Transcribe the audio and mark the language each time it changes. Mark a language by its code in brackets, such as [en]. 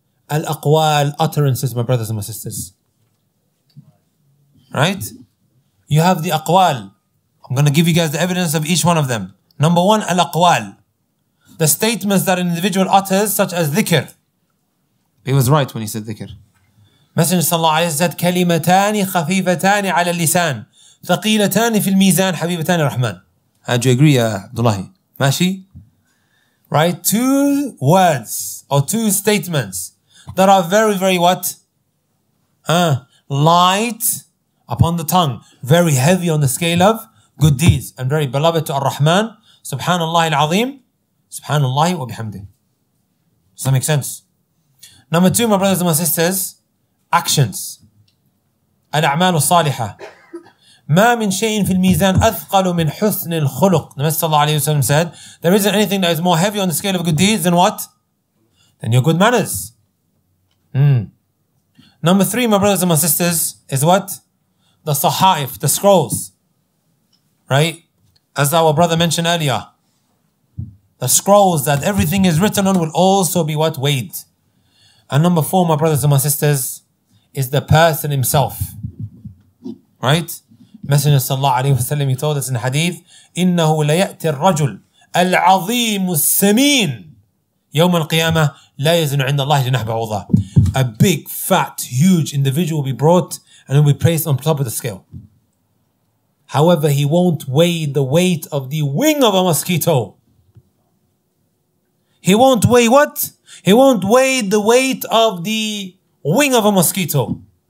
[en] Al-aqwal, utterances, my brothers and my sisters. Right? You have the aqwal. I'm going to give you guys the evidence of each one of them. Number one, al-aqwal. The statements that an individual utters, such as dhikr. He was right when he said dhikr. Messenger sallallahu alayhi wa sallam said, [ar] كَلِمَتَانِ خَفِيفَتَانِ عَلَى اللِّسَانِ ثَقِيلَتَانِ فِي الْمِيزَانِ حَبِيبَتَانِ الرَّحْمَنِ. [en] Do you agree, Abdullahi? Mashi? Right? Two words or two statements that are very, very what? Light upon the tongue. Very heavy on the scale of good deeds. And very beloved to Ar-Rahman. [ar] Subhanallah al-Azim. Subhanallah wa bihamdi. [en] Does that make sense? Number two, my brothers and my sisters. Actions. Al-A'mal al-Saliha. [ar] Ma min shayin fil mizan athqalu min husn al-khuluq. [en] The Messenger sallallahu alayhi wa sallam said, there isn't anything that is more heavy on the scale of good deeds than what? Than your good manners. Number three, my brothers and my sisters, is what? The sahaif, the scrolls. Right? As our brother mentioned earlier, the scrolls that everything is written on will also be what? Weighed. And number four, my brothers and my sisters, is the person himself. Right? Messenger sallallahu alayhi wa sallam, he told us in hadith, [ar] إِنَّهُ لَيَأْتِ الرَّجُلُ الْعَظِيمُ السَّمِينُ يَوْمَ الْقِيَامَةِ لَا يَزْنُ عِنْدَ اللَّهِ جَنَحْ بَعُوضَةِ. [en] A big, fat, huge individual will be brought and will be placed on top of the scale. However, he won't weigh the weight of the wing of a mosquito. He won't weigh what? He won't weigh the weight of the wing of a mosquito.